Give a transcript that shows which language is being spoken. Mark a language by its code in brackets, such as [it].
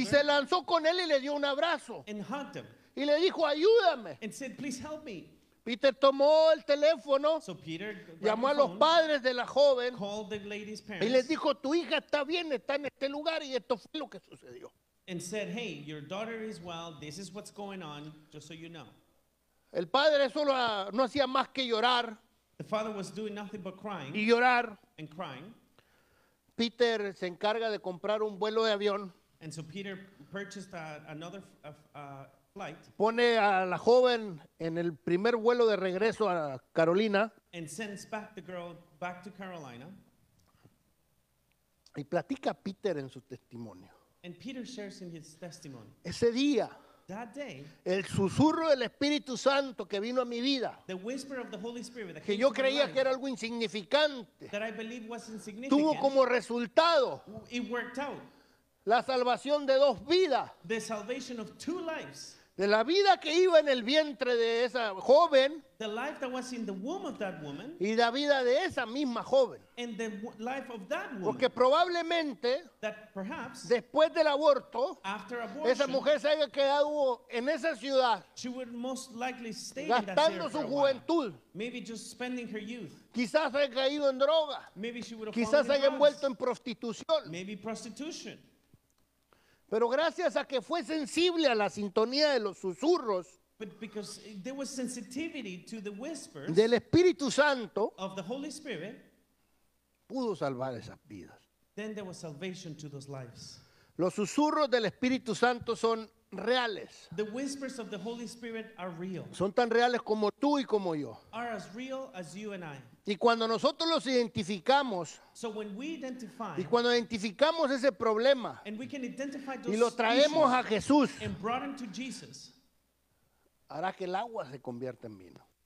[es] y se lanzó con él y le dio un abrazo, [en] and hugged him, [es] y le dijo, ayúdame, [en] and said, please help me. [es] Peter tomó el teléfono, [en] so Peter [es] llamó a los padres de la joven, [en] called the lady's parents, [es] y les dijo, tu hija está bien, está en este lugar, y esto fue lo que sucedió. [en] And said, hey, your daughter is well, this is what's going on, just so you know. [es] El padre solo no hacía más que llorar. [en] The father was doing nothing but crying. [es] Y llorar. [en] And crying. [es] Peter se encarga de comprar un vuelo de avión. [en] And so Peter purchased another flight. [es] Pone a la joven en el primer vuelo de regreso a Carolina. [en] And sends back the girl back to Carolina. [es] Y platica Peter en su testimonio. [en] And Peter shares in his testimony. [es] Ese día. [en] That day, [es] el susurro del Espíritu Santo que vino a mi vida, [en] the whisper of the Holy Spirit that [es] que yo creía [en] life, [es] que era algo insignificante, [en] that I believed was insignificant, [es] tuvo como resultado [en] it worked out, [es] la salvación de dos vidas, [en] the salvation of two lives, [es] de la vida que iba en el vientre de esa joven, [en] the life that was in the womb of that woman, [es] y la vida de esa misma joven, [en] and the life of that woman, [es] porque probablemente [en] that perhaps, [es] después del aborto, [en] after abortion, [es] esa mujer se haya quedado en esa ciudad, [en] she would most likely stay [es] gastando [en] in that [es] su juventud, [en] while, maybe just spending her youth, [es] quizás haya caído en droga, [en] maybe she would have [es] quizás haya envuelto en prostitución, [en] maybe prostitution. [es] Pero gracias a que fue sensible a la sintonía de los susurros [en] but because there was sensitivity to the whispers [es] del Espíritu Santo [en] of the Holy Spirit, [es] pudo salvar esas vidas. [en] Then there was salvation to those lives. [es] Los susurros del Espíritu Santo son reales. [en] The whispers of the Holy Spirit are real. [es] Son tan reales como tú y como yo. [en] Are as real as you and I. [es] Y cuando nosotros los identificamos, [en] so when we identify, [es] y cuando identificamos ese problema, [en] and we can identify those [es] y lo traemos a Jesús, [en] and brought him to Jesus, [es] hará que el agua se convierta en vino.